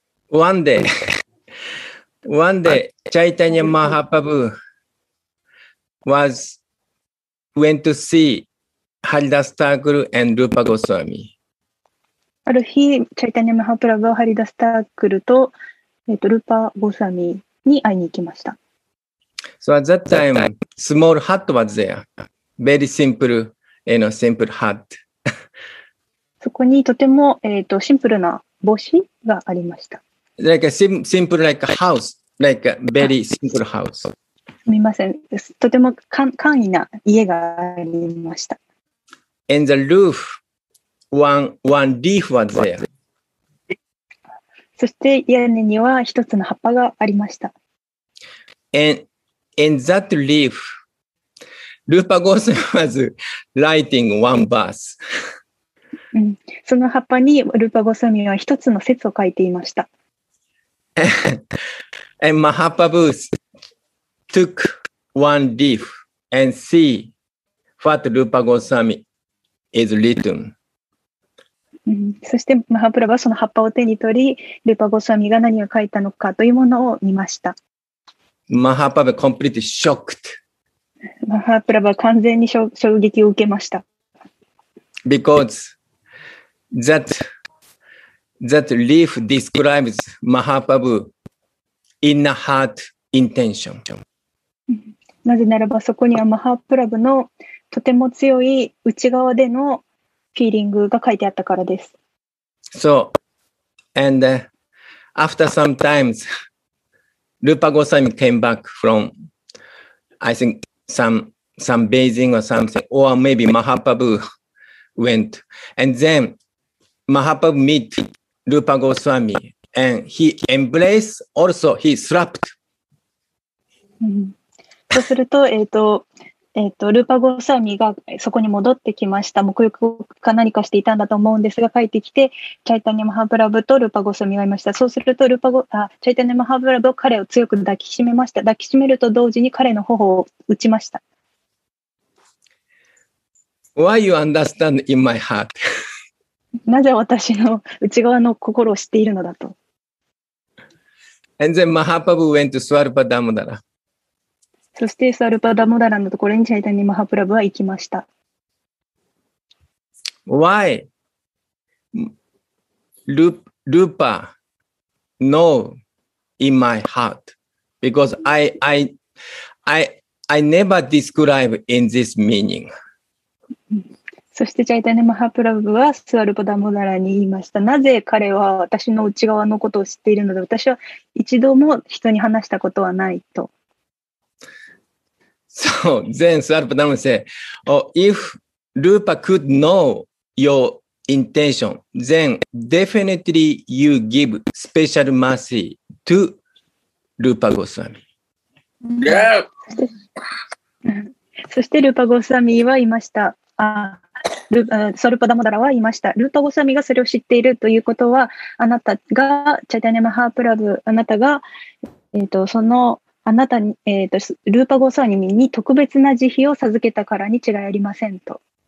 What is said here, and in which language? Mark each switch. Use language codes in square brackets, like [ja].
[en] ワンデーワンデーチャイタニア・マハパブー was went to see ハリダス・タークル and ルーパ・ゴスワミ。 [ja] ある日、チャイタニア・マハプラブはハリダスタークル と、ルーパー・ゴスワミに会いに行きました。 [en] So at that time, small hut was there. Very simple, you know, simple hut. [ja] そこにとても、シンプルな帽子がありました。 [en] Like a simple like a house, like a very simple house. [ja] すみません。とても簡易な家がありました。 [en] And the roof. One leaf was there. [ja] そして屋根には一つの葉っぱがありました。 [en] And that leaf, Rupa Goswami was writing one verse. [ja] その葉っぱに Rupa Goswami は一つの節を書いていました。 [en] And Mahaprabhu took one leaf and see what Rupa Goswami is written. [ja] そしてマハプラブはその葉っぱを手に取り、ルーパ・ゴスワミが何を書いたのかというものを見ました。マハプラブは [en] completely shocked。 [ja] マハプラブは完全に衝撃を受けました。 [en] Because that that leaf describes Mahaprabhu inner heart intention. [ja] なぜならばそこにはマハプラブのとても強い内側でのフィーリングが書いてあったからです。 [en] So, and after some times, Rupa Goswami came back from, I think, some bathing or something, or maybe Mahaprabhu went. And then Mahaprabhu met Rupa Goswami, and he embraced, also he slapped. [ja] そうすると、ルーパゴサミがそこに戻ってきました。沐浴か何かしていたんだと思うんですが、帰ってきて、チャイタニマハブラブとルーパゴサミがいました。そうすると、チャイタニマハブラブは彼を強く抱きしめました。抱きしめると同時に彼の頬を打ちました。 [en] Why you understand in my heart? [ja] なぜ私の内側の心を知っているのだと。 [en] And then Mahaprabhu went to Swarupa Damodara. [ja] そしてスワルパダモダラのところにチャイタニマハプラブは行きました。 [en] Why? Rupa know in my heart because I never describe in this meaning. [ja] そしてチャイタニマハプラブはスワルパダモダラに言いました。なぜ彼は私の内側のことを知っているので、私は一度も人に話したことはないと。 [en] So then Swarupa Damodara said, oh, if Rupa could know your intention, then definitely you give special mercy to Rupa Goswami. Yeah. [ja] そしてルーパゴスワミは言いました。 Swarupa Damodara は言いました。ルーパゴスワミがそれを知っているということは、あなたが、チャイタニャ・マハプラブ、あなたが、そのあなたに、ルーパゴスワミに特別な慈悲を授けたからに違いありませんと。